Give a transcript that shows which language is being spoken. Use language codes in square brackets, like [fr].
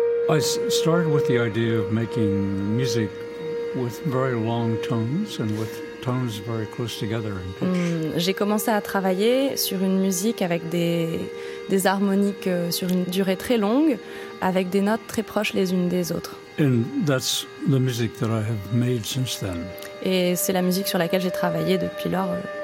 [en] I started with the idea of making music with very long tones and with tones very close together in pitch. [fr] J'ai commencé à travailler sur une musique avec des harmoniques sur une durée très longue, avec des notes très proches les unes des autres. [en] And that's the music that I have made since then. [fr] Et c'est la musique sur laquelle j'ai travaillé depuis lors.